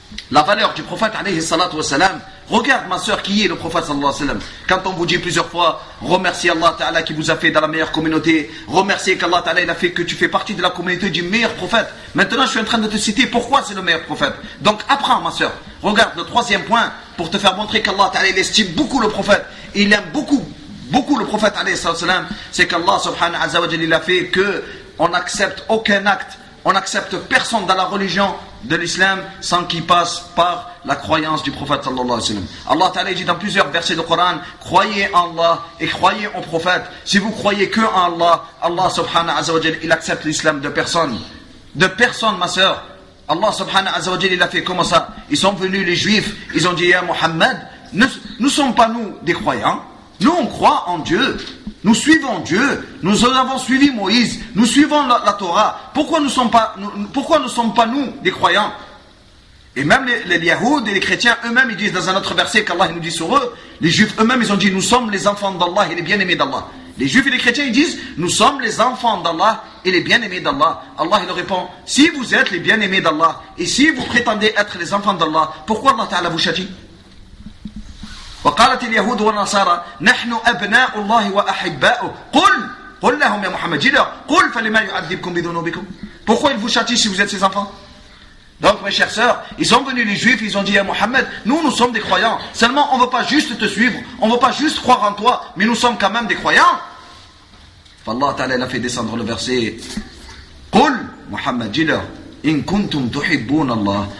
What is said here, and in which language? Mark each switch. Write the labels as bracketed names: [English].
[French] la valeur du prophète عليه الصلاه والسلام regarde ma sœur qui est le prophète صلى الله عليه وسلم quand on vous dit plusieurs fois remercie Allah Ta'ala qui vous a fait dans la meilleure communauté remercie qu'Allah Ta'ala il a fait que tu fais partie de la communauté du meilleur prophète maintenant je suis en train de te citer pourquoi c'est le meilleur prophète donc apprends ma sœur regarde le troisième point pour te faire montrer qu'Allah Ta'ala il estime beaucoup le prophète il aime beaucoup beaucoup le prophète عليه الصلاه والسلام c'est qu'Allah Subhanahu wa ta'ala il a fait que on accepte aucun acte on n'accepte personne dans la religion de l'islam sans qu'il passe par la croyance du prophète sallallahu alayhi wa sallam. Allah Ta'ala dit dans plusieurs versets du Coran, croyez en Allah et croyez au prophète. Si vous croyez que en Allah, Allah subhanahu wa ta'ala, il accepte l'islam de personne. De personne, ma sœur. Allah subhanahu wa ta'ala, il a fait comment ça? Ils sont venus les juifs, ils ont dit, ya Muhammad, nous ne sommes pas nous des croyants. Nous, on croit en Dieu. Nous suivons Dieu, nous avons suivi Moïse, nous suivons la Torah. Pourquoi ne sommes pas nous des croyants? Et même les Yahoud et les chrétiens eux-mêmes, ils disent dans un autre verset qu'Allah nous dit sur eux, les juifs eux-mêmes, ils ont dit, nous sommes les enfants d'Allah et les bien-aimés d'Allah. Les juifs et les chrétiens, ils disent, nous sommes les enfants d'Allah et les bien-aimés d'Allah. Allah, il leur répond, si vous êtes les bien-aimés d'Allah et si vous prétendez être les enfants d'Allah, pourquoi Allah Ta'ala vous châtie? [Arabic] وقالت اليهود والنصارى نحن أبناء الله وأحباؤه قل لهم يا محمد قل فلما يعذبكم بذنوبكم [French] pourquoi il vous châtie si vous êtes ses enfants Donc, mes chers sœurs, ils sont venus les juifs, ils ont dit à Mohammed, nous, nous sommes des croyants. Seulement, on ne veut pas juste te suivre, on ne veut pas juste croire en toi, mais nous sommes quand même des croyants. Allah Ta'ala a fait descendre le verset. Qul, Mohammed, dis-leur, [Arabic] in kuntum tuhibbun Allah.